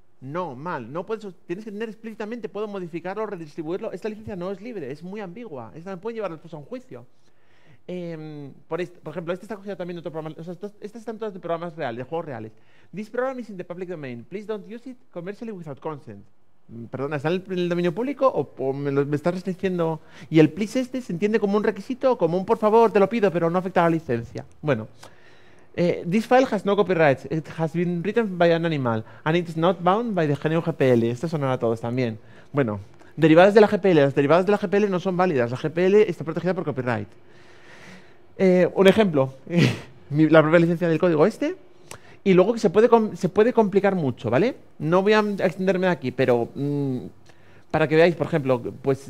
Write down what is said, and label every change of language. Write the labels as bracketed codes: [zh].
[es] No, mal, no puedes, tienes que tener explícitamente, puedo modificarlo, redistribuirlo. Esta licencia no es libre, es muy ambigua. Esta me puede llevar después a un juicio. Por ejemplo, esta está cogida también de otro programa. O sea, estas están todas de programas reales, de juegos reales. [en] This program is in the public domain. Please don't use it commercially without consent. [es] Perdona, ¿está en el dominio público o me estás restringiendo? Y el please este se entiende como un requisito, como un por favor, te lo pido, pero no afecta a la licencia. Bueno. [en] This file has no copyrights. It has been written by an animal. And it's not bound by the GNU GPL. [es] Esto sonará a todos también. Bueno, derivadas de la GPL. Las derivadas de la GPL no son válidas. La GPL está protegida por copyright. Un ejemplo. La propia licencia del código este. Y luego que se puede complicar mucho, ¿vale? No voy a extenderme aquí, pero... para que veáis, por ejemplo, pues...